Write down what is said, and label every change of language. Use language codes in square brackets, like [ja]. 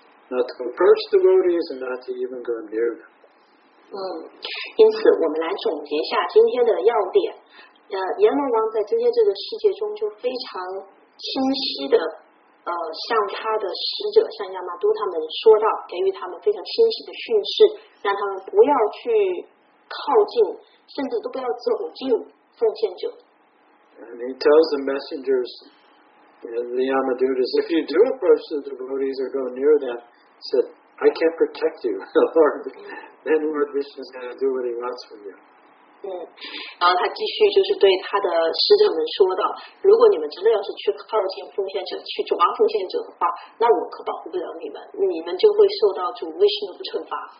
[en] Not to approach devotees and not to even go near them. [zh] 因此我们来总结一下今天的要点。阎罗王在今天这个世界中就非常清晰的向他的使者，向亚玛都他们说道，给予他们非常清晰的训示，让他们不要去靠近，甚至都不要走近奉献者。 [en] And he tells the messengers and the Yamadutas, if you do approach the devotees or go near them, said, I can't protect you, Lord. Then Lord Vishnu is going to do what he wants from you. [zh] 然后他继续就是对他的使者们说道，如果你们真的要是去靠近奉献者，去抓奉献者的话，那我可保护不了你们，你们就会受到主 Vishnu 的惩罚。